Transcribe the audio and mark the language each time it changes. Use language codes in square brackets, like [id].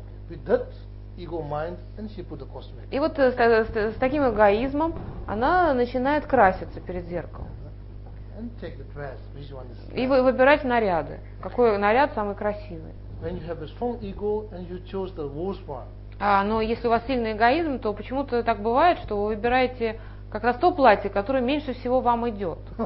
[en] With that ego mind, then she put the costume. [ru] И вот с таким эгоизмом она начинает краситься перед зеркалом. [en] And take the dress, which one is [ru] и выбирать наряды. Какой наряд самый красивый? [en] When you have a strong ego and you chose the worst one. [ru] Но если у вас сильный эгоизм, то почему-то так бывает, что вы выбираете как раз то платье, которое меньше всего вам идет.